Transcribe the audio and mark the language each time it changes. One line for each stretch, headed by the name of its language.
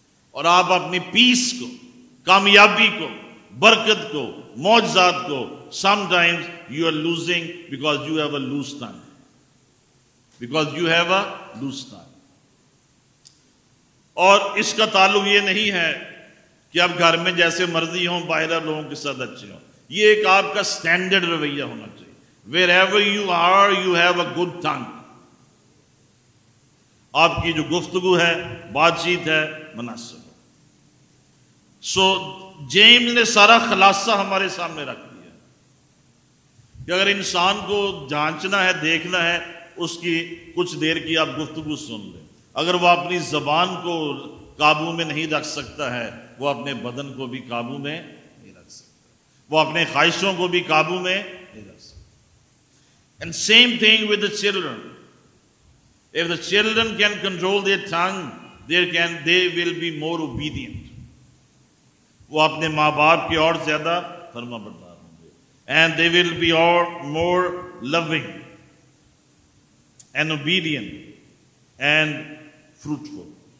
Urdu: اور آپ اپنی پیس کو, کامیابی کو, برکت کو, معجزات کو
English: Sometimes you are losing because you have a loose tongue. Because you have a loose tongue.
Urdu: اور اس کا تعلق یہ نہیں ہے کہ آپ گھر میں جیسے مرضی ہوں, باہر لوگوں کے ساتھ اچھے ہوں. یہ ایک آپ کا اسٹینڈرڈ رویہ ہونا چاہیے.
English: Wherever you are you have a good tongue.
Urdu: آپ کی جو گفتگو ہے, بات چیت ہے, مناسب. سو جیمز نے سارا خلاصہ ہمارے سامنے رکھ دیا کہ اگر انسان کو جانچنا ہے, دیکھنا ہے, اس کی کچھ دیر کی آپ گفتگو سن لیں. اگر وہ اپنی زبان کو قابو میں نہیں رکھ سکتا ہے, وہ اپنے بدن کو بھی قابو میں نہیں رکھ سکتا. وہ اپنے خواہشوں کو بھی قابو میں نہیں رکھ سکتا.
English: And same thing with the children. If the children can control their tongue, they will be more obedient.
Urdu: وہ اپنے ماں باپ کے اور زیادہ فرما بردار ہوں گے.
English: And they will be اور more loving and obedient and fruitful.